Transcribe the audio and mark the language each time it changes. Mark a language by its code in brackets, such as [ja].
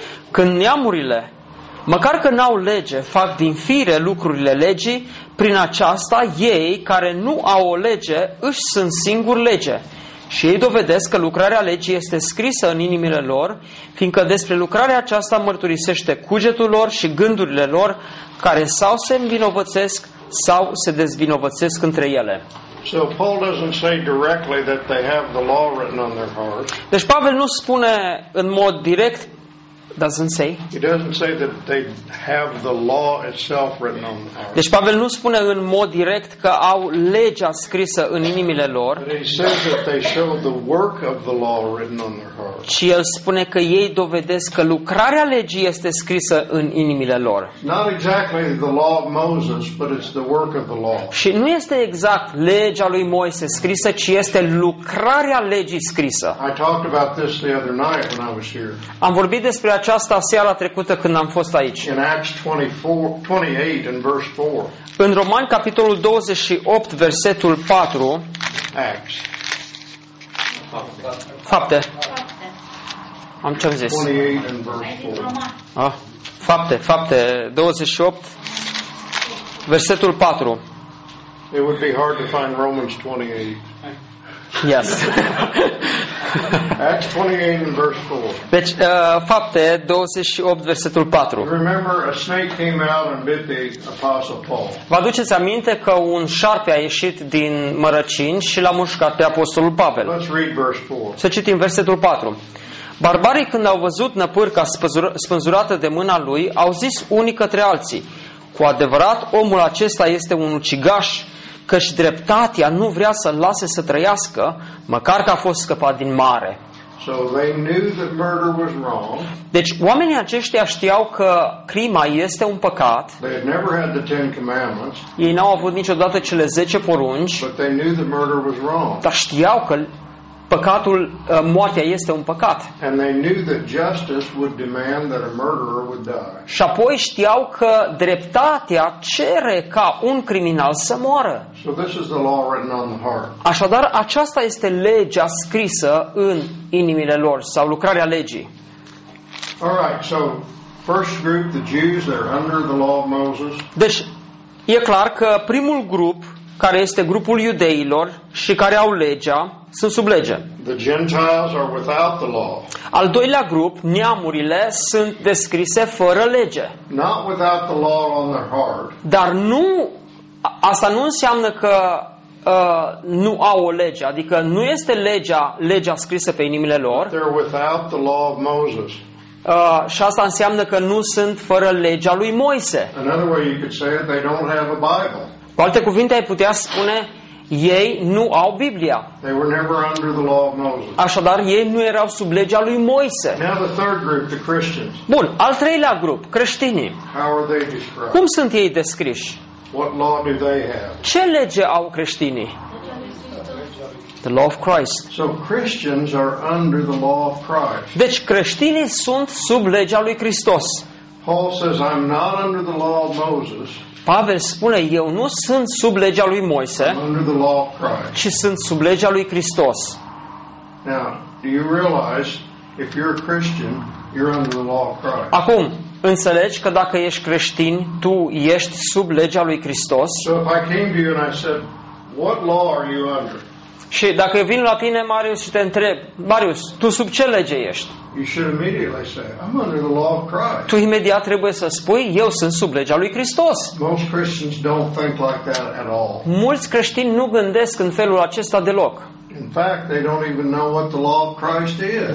[ro] Când neamurile, măcar că n-au lege, fac din fire lucrurile legii, prin aceasta ei, care nu au o lege, își sunt singuri lege. Și ei dovedesc că lucrarea legii este scrisă în inimile lor, fiindcă despre lucrarea aceasta mărturisește cugetul lor și gândurile lor, care sau se învinovățesc sau se dezvinovățesc între ele. [en] So Paul doesn't say directly that they have the law written on their heart. [ro] Deci Pavel nu spune în mod direct. [en] Doesn't say. He doesn't say that they have the law itself written on their heart. [ro] Deci Pavel nu spune în mod direct că au legea scrisă în inimile lor. [en] But he says that they show the work of the law written on their heart. [ro] Și el spune că ei dovedesc că lucrarea legii este scrisă în inimile lor. [en] Not exactly the law of Moses, but it's the work of the law. [ro] Și nu este exact legea lui Moise scrisă, ci este lucrarea legii scrisă. [en] I talked about this the other night when I was here. [ro] Am vorbit despre aceasta seara trecută când am fost aici. [en] In Acts 28 and verse 4. [ro] În Romani capitolul 28 versetul 4. [en] Acts. [ro] Fapte. Am ce-am zis? [en] 28 and verse 4. [ro] Ah, fapte 28 versetul 4. [en] It would be hard to find Romans 28. Yes. Acts 28 and verse 4. [ro] Deci, fapte 28 versetul 4. [en] Remember a snake came out and bit the apostle Paul. [ro] Vă aduceți aminte că un șarpe a ieșit din mărăcini și l-a mușcat pe apostolul Pavel. [en] Let's read verse 4. [ro] Să citim versetul 4. Barbarii când au văzut năpârca spânzurată de mâna lui, au zis unii către alții: cu adevărat omul acesta este un ucigaș, căci dreptatea nu vrea să-l lase să trăiască, măcar că a fost scăpat din mare. [en] So they knew that murder was wrong. [ro] Deci oamenii aceștia știau că crima este un păcat. [en] They had never had the Ten Commandments. [ro] Ei n-au avut niciodată cele 10 porunci. [en] But they knew that murder was wrong. [ro] Dar știau că păcatul, moartea este un păcat. [en] And they knew that justice would demand that a murderer would die. [ro] Și apoi știau că dreptatea cere ca un criminal să moară. [en] So this is the law written on the heart. [ro] Așadar, aceasta este legea scrisă în inimile lor sau lucrarea legii. [en] All right, so first group, the Jews, they're under the law of Moses. [ro] Deci e clar că primul grup, care este grupul iudeilor și care au legea, sunt sub lege. [en] The Gentiles are without the law. [ro] Al doilea grup, neamurile, sunt descrise fără lege. [en] Not without the law on their heart. [ro] Dar nu, asta nu înseamnă că nu au o lege, adică nu este legea scrisă pe inimile lor. [en] They're without the law of Moses. [ro] Și asta înseamnă că nu sunt fără legea lui Moise. [en] Another way you could say it, they don't have a Bible. [ro] Cu alte cuvinte, ai putea spune, ei nu au Biblia. [en] They were never under the law of Moses. [ro] Așadar, ei nu erau sub legea lui Moise. [en] Now the third group, the Christians. [ro] Bun, al treilea grup, creștinii. [en] How are they described? [ro] Cum sunt ei descriși? [en] What law do they have? [ro] Ce lege au creștinii? [en] The law of Christ. So Christians are under the law of Christ. [ro] Deci creștinii sunt sub legea lui Hristos. [en] Paul says, I'm not under the law of Moses. [ro] Pavel spune, eu nu sunt sub legea lui Moise, [en] under the law of Christ. [ro] Ci sunt sub legea lui Hristos. [en] Now, do you realize if you're a Christian, you're under the law of Christ? [ro] Acum, înțelegi că dacă ești creștin, tu ești sub legea lui Hristos? [en] So if I came to you and I said, what law are you under? [ro] Și dacă vin la tine, Marius, și te întreb, Marius, tu sub ce lege ești? [en] You should immediately say, I'm under the law of Christ. [ro] Tu imediat trebuie să spui, eu sunt sub legea lui Hristos. [en] Most Christians don't think like that at all. [ro] Mulți creștini nu gândesc în felul acesta deloc. [en] In fact, they don't even know what the law of Christ is.